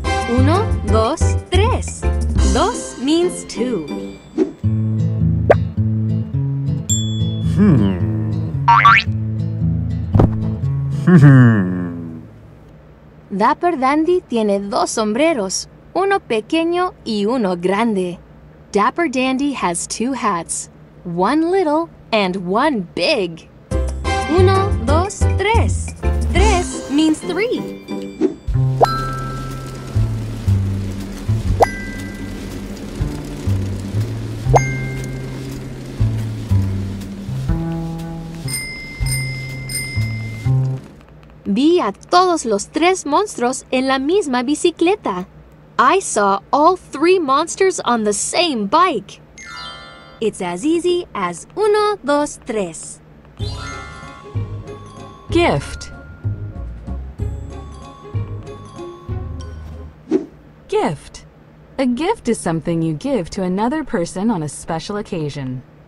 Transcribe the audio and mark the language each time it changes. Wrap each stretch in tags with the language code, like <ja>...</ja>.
<es>Uno, dos, tres.</es> <en>Dos means two.</en> <es>Dapper Dandy tiene dos sombreros, uno pequeño y uno grande.</es> <en>Dapper Dandy has two hats, one little and one big.</en> <es>Uno, dos, tres.</es> <en>Tres means three.</en> <es>Vi a todos los tres monstruos en la misma bicicleta.</es> <en>I saw all three monsters on the same bike. It's as easy as</en> <es>uno, dos, tres.</es> <en>Gift. Gift. A gift is something you give to another person on a special occasion.</en>